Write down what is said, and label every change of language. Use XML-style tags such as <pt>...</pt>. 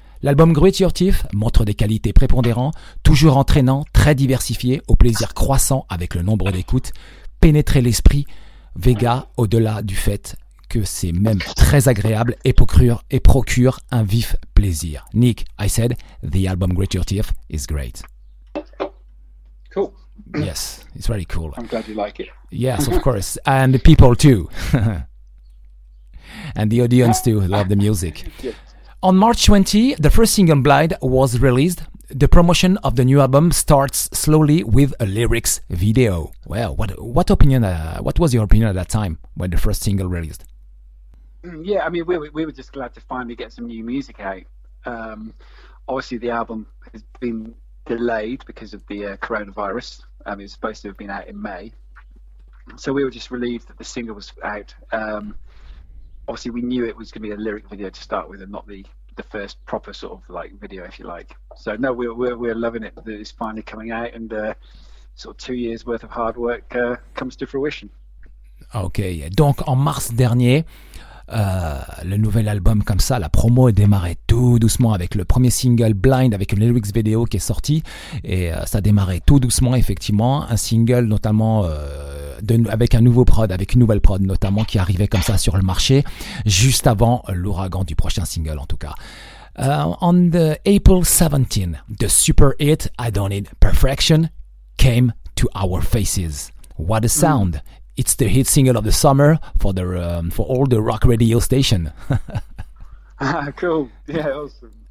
<fr>L'album Grit Your Teeth montre des qualités prépondérantes, toujours entraînant, très diversifié, au plaisir croissant avec le nombre d'écoutes, pénétrer l'esprit Vega au-delà du fait que c'est même très agréable et procure un vif plaisir.</fr> <en>Nick, I said, the album Grit Your Teeth is great. Cool. Yes, it's very cool. I'm glad you like it. Yes, of course. And the people too. And the audience too love the music. Yes. On March 20, the first single Blind was released. The promotion of the new album starts slowly with a lyrics video. Well, what was your opinion at that time when the first single released? Yeah, I mean, we were just glad to finally get some new music out. Obviously, the album has been delayed because of the coronavirus. I mean, it was supposed to have been out in May. So we were just relieved that the single was out. Obviously, we knew it was going to be a lyric video to start with and not the first proper sort of like video, if you like. So no, we're loving it that it's finally coming out and sort of 2 years worth of hard work comes to fruition.</en> <fr>Okay, donc en mars dernier, le nouvel album comme ça, la promo est démarrée tout doucement avec le premier single Blind avec une lyrics vidéo qui est sortie et ça démarrait tout doucement effectivement, un single notamment avec un nouveau prod, avec une nouvelle prod notamment qui arrivait comme ça sur le marché juste avant l'ouragan du prochain single en tout cas.</fr> <en>On the April 17, the super hit I Don't Need Perfection came to our faces. What a sound! It's the hit single of the summer for the for all the rock radio station. Cool. Yeah, awesome.</en>